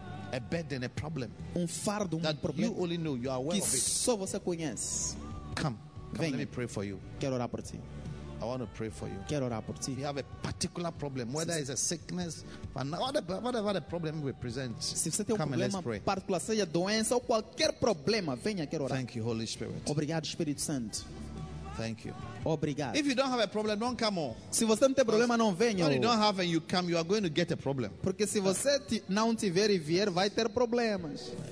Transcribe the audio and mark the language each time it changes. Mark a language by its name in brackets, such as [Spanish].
[English] A burden, a problem. [Portuguese] Fardo, [English] problem. You only know. You are aware of it. [Portuguese] Só você conhece. [English] Come. [Portuguese] Venha. [English] Let me pray for you. [Portuguese] Quero orar por ti. [English] I want to pray for you. [Portuguese] Quero orar por ti. [English] If you have a particular problem, whether it's a sickness, whatever the problem represents, [Portuguese] se você tem [English] come [Portuguese] problema [English] and let's pray. [Portuguese] Particular, seja doença ou qualquer problema, venha, quero orar. [English] Thank you, Holy Spirit. [Portuguese] Obrigado, Espírito Santo. [English] Thank you. [Portuguese] Obrigado. [English] If you don't have a problem, don't come on. [Portuguese] Se você não tem problema, não venha. [English] When you don't have and you come, you are going to get a problem. [Portuguese] Porque se você não tiver e vier, vai ter problemas.